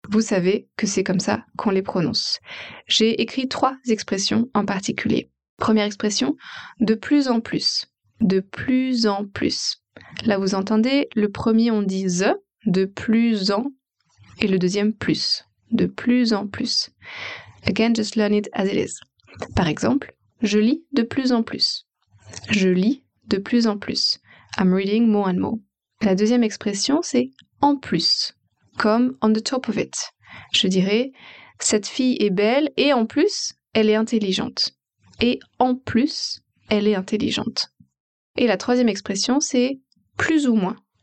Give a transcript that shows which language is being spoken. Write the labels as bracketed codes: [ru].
[fr] Vous savez que c'est comme ça qu'on les prononce. J'ai écrit trois expressions en particulier. Première expression, de plus en plus. De plus en plus. Là, vous entendez, le premier, on dit the, de plus en, et le deuxième, plus. De plus en plus. [en] Again, just learn it as it is. [fr] Par exemple, je lis de plus en plus. Je lis de plus en plus. [en] I'm reading more and more. [fr] La deuxième expression, c'est en plus, comme [en] on the top of it. [fr] Je dirais, cette fille est belle et en plus, elle est intelligente. Et en plus, elle est intelligente. Et la troisième expression, c'est plus ou moins.